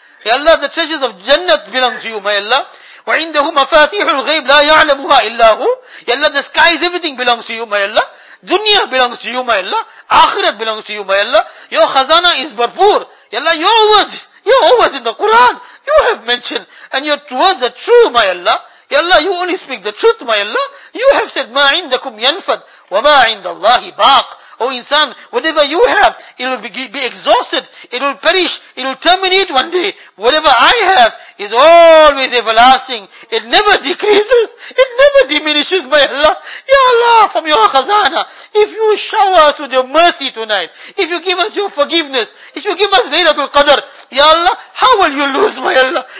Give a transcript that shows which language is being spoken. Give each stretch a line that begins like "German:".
English: Ya Allah, the treasures of Jannat belong to you, my Allah.
Arabic: وَعِنْدَهُ مَفَاتِيحُ الْغَيْبِ لَا يَعْلَمُهَا إِلَّا هُ.
English: Ya Allah, the skies, everything belongs to you, my Allah. Dunya belongs to you, my Allah. Akhirat belongs to you, my Allah. Your khazana is barpoor. Ya Allah, your words in the Quran, you have mentioned, and your words are true, my Allah. Ya Allah, you only speak the truth, my Allah. You have said,
Arabic: مَا عِنْدَكُمْ يَنْفَدْ وَمَا عِنْدَ اللَّهِ بَاقْ.
English: Oh, insan, whatever you have, it will be exhausted, it will perish, it will terminate one day. Whatever I have is always everlasting. It never decreases, it never diminishes, my Allah. Ya Allah, from your khazana, if you shower us with your mercy tonight, if you give us your forgiveness, if you give us Laylatul Qadr, Ya Allah, how will you lose, my Allah?